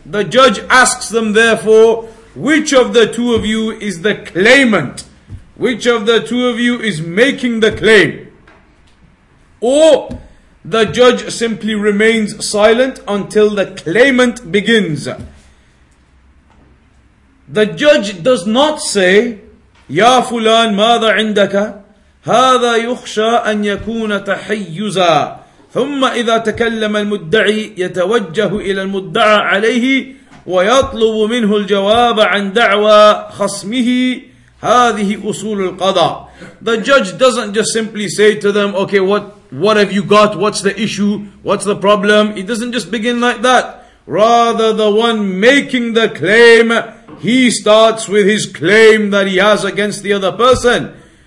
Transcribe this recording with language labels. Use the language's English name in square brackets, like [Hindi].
[English] The judge asks them therefore, which of the two of you is the claimant? Which of the two of you is making the claim? Or the judge simply remains silent until the claimant begins. The judge does not say, [Arabic] Ya fulan, ماذا عندك؟ هذا يخشى أن يكون تحيزا. ثم إذا تكلم المدعي يتوجه إلى المدعى عليه ويطلب منه الجواب عن دعوى خصمه. هذه أصول القضاء. [English] The judge doesn't just simply say to them, okay, what have you got? What's the issue? What's the problem? It doesn't just begin like that. Rather, the one making the claim, he starts with his claim that he has against the other person.